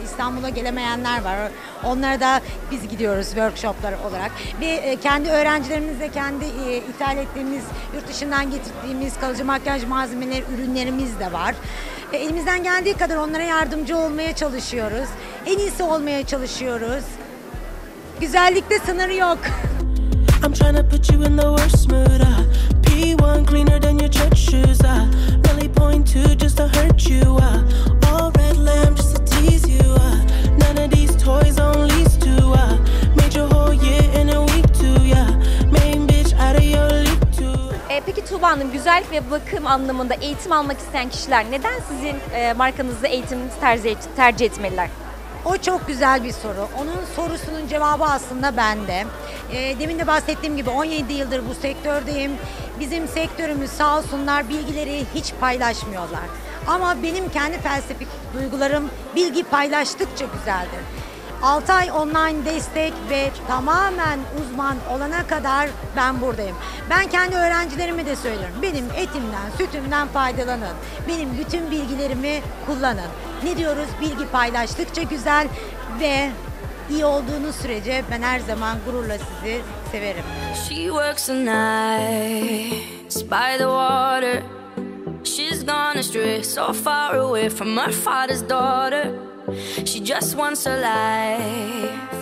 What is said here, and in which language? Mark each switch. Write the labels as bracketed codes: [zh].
[tr] İstanbul'a gelemeyenler var. Onlara da biz gidiyoruz workshoplar olarak. Ve kendi öğrencilerimizle kendi ithal ettiğimiz, yurt dışından getirdiğimiz kalıcı makyaj malzemeleri, ürünlerimiz de var. Elimizden geldiği kadar onlara yardımcı olmaya çalışıyoruz. En iyisi olmaya çalışıyoruz. Güzellikte sınırı yok. [en] I'm trying to put you in the worst mood, P1 cleaner than your church shoes, really point to just to hurt you, all red lamp just to tease you, none of these toys on lease to, made your whole year in a week to, main bitch out of your league to. [tr] Peki Tuğba Hanım, güzellik ve bakım anlamında eğitim almak isteyen kişiler neden sizin markanızı eğitim tercih etmeliler? O çok güzel bir soru. Onun sorusunun cevabı aslında bende. Demin de bahsettiğim gibi 17 yıldır bu sektördeyim. Bizim sektörümüz sağ olsunlar bilgileri hiç paylaşmıyorlar. Ama benim kendi felsefi duygularım bilgi paylaştıkça güzeldir. 6 ay online destek ve tamamen uzman olana kadar ben buradayım. Ben kendi öğrencilerime de söylüyorum. Benim etimden, sütümden faydalanın. Benim bütün bilgilerimi kullanın. Ne diyoruz? Bilgi paylaştıkça güzel ve iyi olduğunuz sürece ben her zaman gururla sizi severim. [en] She works the nights by the water. She's gone astray so far away from her father's daughter. She just wants her life.